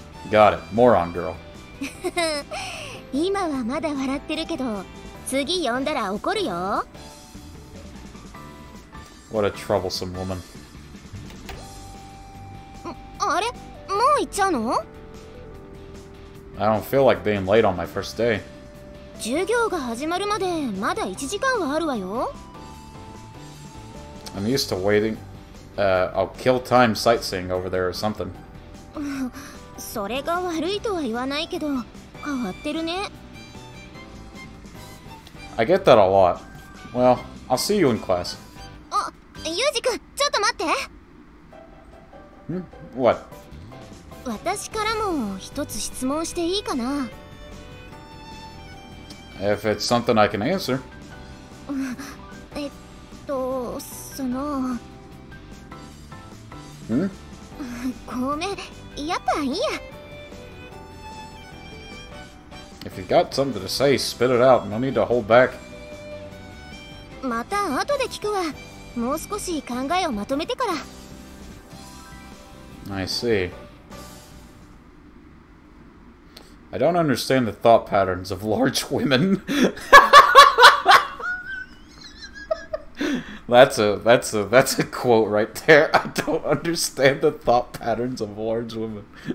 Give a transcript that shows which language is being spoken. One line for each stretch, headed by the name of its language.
English: Got it. Moron girl.
Japanese: 今はまだ笑ってるけど、次呼んだら怒るよ。
English: What a troublesome woman.
Japanese: あれ、もう行っちゃうの？
English: I don't feel like being late on my first day.
Japanese: 授業が始まるまでまだ1時間はあるわよ。
English: I'm used to waiting. I'll kill time sightseeing over there or something.
Japanese: それが悪いとは言わないけど、変わってるね。
English: I get that a lot. Well, I'll see you in class.
Japanese: ユージ君、ちょっと待って。
English: What?
Japanese: 私からも一つ質問していいかな。
English: If it's something I can answer.
Japanese: その。ごめん、やっぱいいや。
English: If you got something to say, spit it out. No need to hold back.
Japanese: また後で聞くわ。もう少し考えをまとめてから。
English: I see. I don't understand the thought patterns of large women. that's a quote right there. I don't understand the thought patterns of large women.